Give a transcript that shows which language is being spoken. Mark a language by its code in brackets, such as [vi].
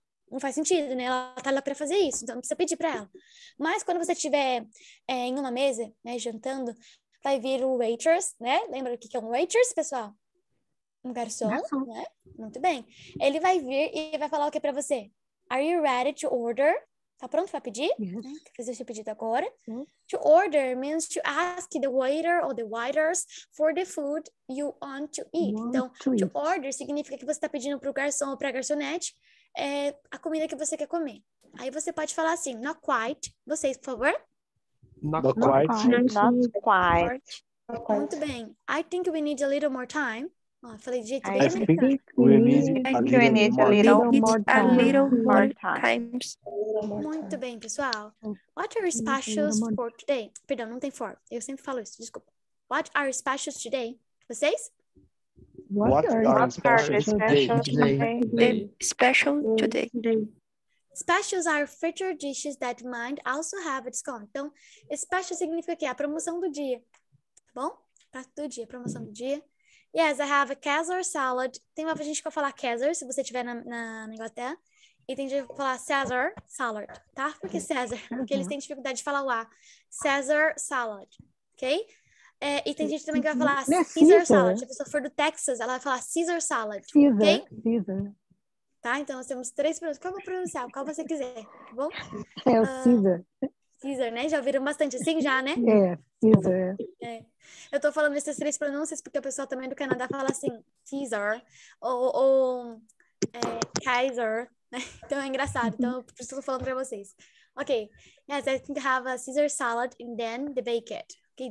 [pt] Não faz sentido, né? Ela tá lá pra fazer isso, então não precisa pedir pra ela. Mas quando você estiver em uma mesa, né, jantando, vai vir o waitress, né? Lembra o que é um waitress, pessoal? Um garçom, né? Muito bem. Ele vai vir e vai falar o que para você? [en] Are you ready to order? [pt] Tá pronto para pedir? [en] Yes. [pt] Quer fazer seu pedido agora? [en] To order means to ask the waiter or the waiters for the food you want to eat. [pt] Order significa que você tá pedindo pro garçom ou pra garçonete a comida que você quer comer. Aí você pode falar assim, [en] not quite. [pt] Vocês, por favor. [en] Not quite. [pt] Muito bem. [en] I think we need a little more time. [pt] Oh, falei de jeito [en] I think we need a little more time. [pt] Muito bem, pessoal. [en] What are specials for today? [pt] Perdão, não tem for. Eu sempre falo isso, desculpa. [en] What are specials today? [pt] Vocês? [en] What are specials today? Special today. Specials are featured dishes that might also have a discount. [pt] Então, special significa que é a promoção do dia. Tá bom? Prato do dia, promoção do dia. [en] Yes, I have a Caesar salad. [pt] Tem uma gente que vai falar Caesar, se você estiver na Inglaterra. E tem gente que vai falar Caesar salad, tá? Porque Caesar, porque eles têm dificuldade de falar o A. Caesar salad, ok? É, e tem gente também que vai falar Caesar salad. Se a pessoa for do Texas, ela vai falar Caesar salad, ok? Caesar. Tá? Então, nós temos três perguntas. Qual eu vou pronunciar? Qual você quiser, tá bom? É o Caesar. Caesar, né? Já viram bastante assim, já, né? É, Caesar. É. Eu tô falando essas três pronúncias porque o pessoal também do Canadá fala assim, Caesar, ou Kaiser, né? Então é engraçado, então eu preciso falar pra vocês. [en] Ok, yes, I think I have a Caesar salad and then the baked, ok?